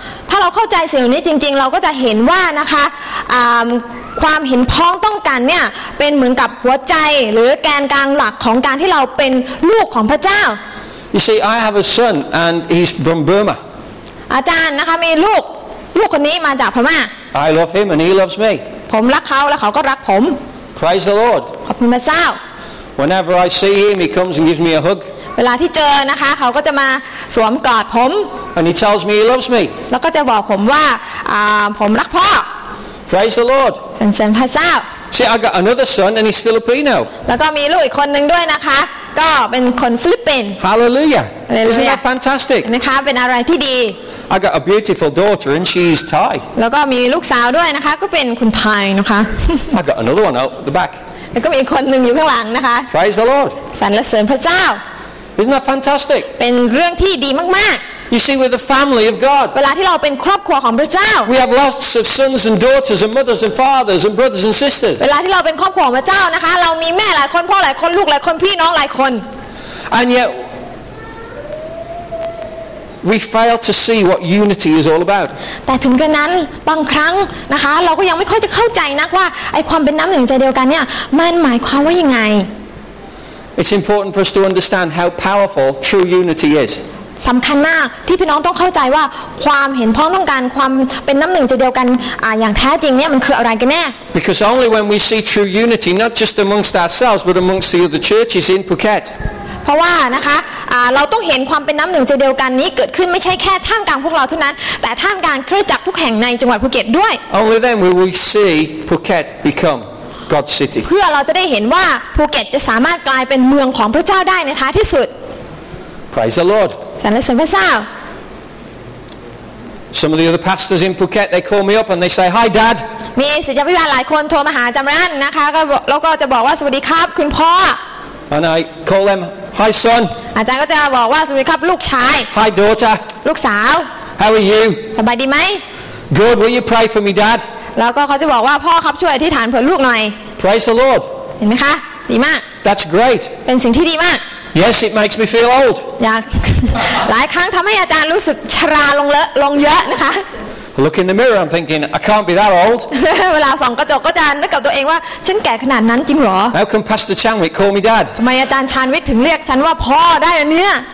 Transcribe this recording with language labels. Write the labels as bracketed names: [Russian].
[Thai] ถ้าเราเข้าใจสิ่งนี้จริงๆเราก็จะเห็นว่านะคะความเห็นพ้องต้องกันเนี่ยเป็นเหมือนกับหัวใจหรือแกนกลางหลักของการที่เราเป็นลูกของพระเจ้า [English] You see, I have a son, and he's from Burma. [Thai] อาจารย์นะคะมีลูกลูกคนนี้มาจากพม่า [English] I love him, and he loves me. [Thai] ผมรักเขาและเขาก็รักผม [English] Praise the Lord. [Thai] ขอบคุณพระเจ้า [English] Whenever I see him, he comes and gives me a hug. [Thai] เวลาที่เจอนะคะเขาก็จะมาสวมกอดผม [English] And he tells me he loves me. [Thai] แล้วก็จะบอกผมว่าผมรักพ่อ [English] Praise the Lord. [Thai] สรรเสริญพระเจ้า [English] See, I got another son, and he's Filipino. [Thai] แล้วก็มีลูกอีกคนนึงด้วยนะคะก็เป็นคนฟิลิปปินส์ [English] Hallelujah Isn't that fantastic [Thai] นะคะเป็นอะไรที่ดี [English] I got a beautiful daughter and she's Thai [Thai] แล้วก็มีลูกสาวด้วยนะคะก็เป็นคนไทยนะคะ [English] I got another one out the back [Thai] แล้วก็มีคนหนึ่งอยู่ข้างหลังนะคะ [English] Praise the Lord [Thai] สรรเสริญพระเจ้า [English] Isn't that fantastic [Thai] เป็นเรื่องที่ดีมากๆ [English] You see, we're the family of God. [Thai] เวลาที่เราเป็นครอบครัวของพระเจ้า [English] We have lots of sons and daughters and mothers and fathers and brothers and sisters. [Thai] เวลาที่เราเป็นครอบครัวของพระเจ้านะคะเรามีแม่หลายคนพ่อหลายคนลูกหลายคนพี่น้องหลายคน [English] And yet we fail to see what unity is all about. [Thai] แต่ถึงกระนั้นบางครั้งนะคะเราก็ยังไม่ค่อยจะเข้าใจนักว่าไอ้ความเป็นน้ำหนึ่งใจเดียวกันเนี่ยมันหมายความว่ายังไง [English] It's important for us to understand how powerful true unity is. [Thai] สำคัญมากที่พี่น้องต้องเข้าใจว่าความเห็นพ้องต้องการความเป็นน้ำหนึ่งใจเดียวกันอย่างแท้จริงเนี่ยมันคืออะไรกันแน่ [English] Because only when we see true unity not just amongst ourselves but amongst the other churches in Phuket [Thai] เพราะว่านะคะเราต้องเห็นความเป็นน้ำหนึ่งใจเดียวกันนี้เกิดขึ้นไม่ใช่แค่ท่ามกลางพวกเราเท่านั้นแต่ท่ามกลางคริสตจักรทุกแห่งในจังหวัดภูเก็ตด้วย [English] Only then will we see Phuket becomeGod's city [Thai] เพื่อเราจะได้เห็นว่าภูเก็ตจะสามารถกลายเป็นเมืองของพระเจ้าได้ในท้ายที่สุด [English] Praise the Lord [Thai] สรรเสริญพระเจ้า [English] Some of the other pastors in Phuket, they call me up and they say, "Hi, Dad." [Thai] มีศิษยาภิบาลหลายคนโทรมาหาจำรันนะคะแล้วก็จะบอกว่าสวัสดีครับคุณพ่อ [English] And I call them, "Hi, son." [Thai] อาจารย์ก็จะบอกว่าสวัสดีครับลูกชาย [English] Hi, daughter. [Thai] ลูกสาว [English] How are you? [Thai] สบายดีไหม [English] Good. Will you pray for me, Dad? [Thai] แล้วก็เขาจะบอกว่าพ่อครับช่วยอธิษฐานเผื่อลูกหน่อย [English] Praise the Lord. [Thai] เห็นไหมคะดีมาก [English] That's great. [Thai] เป็นสิ่งที่ดีมาก [English] Yes, it makes me feel old. [Thai] หลายครั้งทำให้อาจารย์รู้สึกชราลงเลอะลงเยอะนะคะ [English] Look in the mirror, I'm thinking, I can't be that old. [Thai] เวลาส่องกระจกก็จะนึกกับตัวเองว่าฉันแก่ขนาดนั้นจริงหรอ [English] How come Pastor Chanwit call me Dad? [Thai] ทำไมอาจารย์ชานวิทย์ถึงเรียกฉันว่าพ่อได้อันเนี้ย